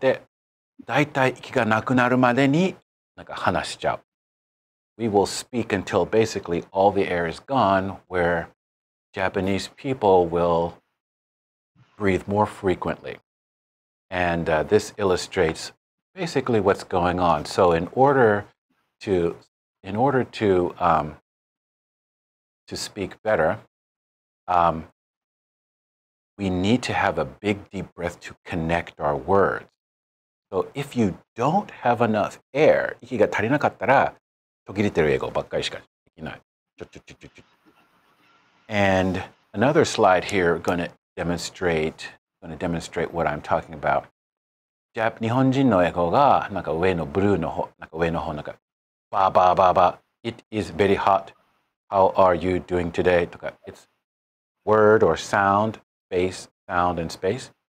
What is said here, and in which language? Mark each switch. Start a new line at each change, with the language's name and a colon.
Japanese: で、だいたい息がなくなるまでに、なんか話しちゃう。
English: We will speak until basically all the air is gone, where... Japanese people will breathe more frequently. And this illustrates basically what's going on. So in order to speak better, we need to have a big deep breath to connect our words. So if you don't have enough air,
Japanese: 息が足りなかったら、途切れてる英語ばっかりしかできない。
English: And another slide here going to demonstrate what I'm talking about.
Japanese: 日本人の英語がなんか上のブルーの方、なんか上の方、なんかバーバーバーバー、息
English: it is very hot. How are you doing today?
Japanese: とか、
English: it's word or sound, base, sound and space.